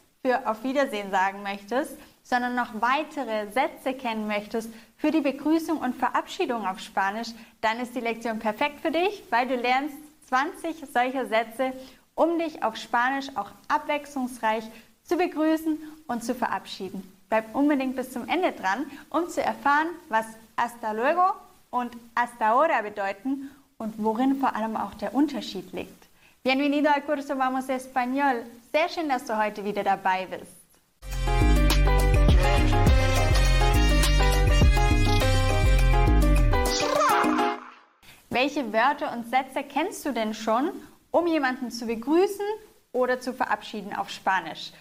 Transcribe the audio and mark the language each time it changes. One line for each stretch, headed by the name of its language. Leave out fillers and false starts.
German: für auf Wiedersehen sagen möchtest, sondern noch weitere Sätze kennen möchtest für die Begrüßung und Verabschiedung auf Spanisch, dann ist die Lektion perfekt für dich, weil du lernst 20 solcher Sätze, um dich auf Spanisch auch abwechslungsreich zu begrüßen und zu verabschieden. Bleib unbedingt bis zum Ende dran, um zu erfahren, was
Spanish: hasta luego
German: und
Spanish: hasta ahora
German: bedeuten und worin vor allem auch der Unterschied liegt.
Spanish: Bienvenido al curso Vamos Español.
German: Sehr schön, dass du heute wieder dabei bist. Welche Wörter und Sätze kennst du denn schon, um jemanden zu begrüßen oder zu verabschieden auf Spanisch?